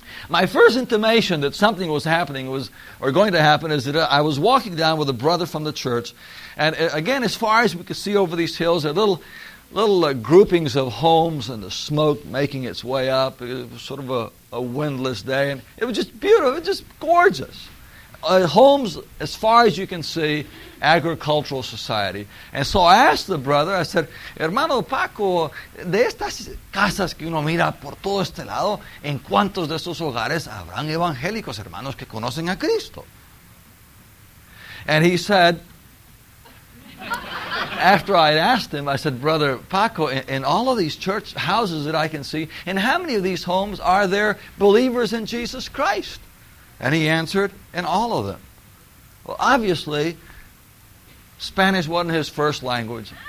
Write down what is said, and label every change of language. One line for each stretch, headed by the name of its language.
English: My first intimation that something was happening is that I was walking down with a brother from the church. And again, as far as we could see over these hills, a little little groupings of homes and the smoke making its way up. It was sort of a windless day, and it was just beautiful. It was just gorgeous. Homes, as far as you can see, agricultural society. And so I asked the brother, I said,
Spanish: Hermano Paco, de estas casas que uno mira por todo este lado, ¿en cuántos de esos hogares habrán evangélicos, hermanos, que conocen a Cristo?
English: And he said, after I had asked him, I said, Brother Paco, in all of these church houses that I can see, in how many of these homes are there believers in Jesus Christ? And he answered, in all of them. Well, obviously, Spanish wasn't his first language.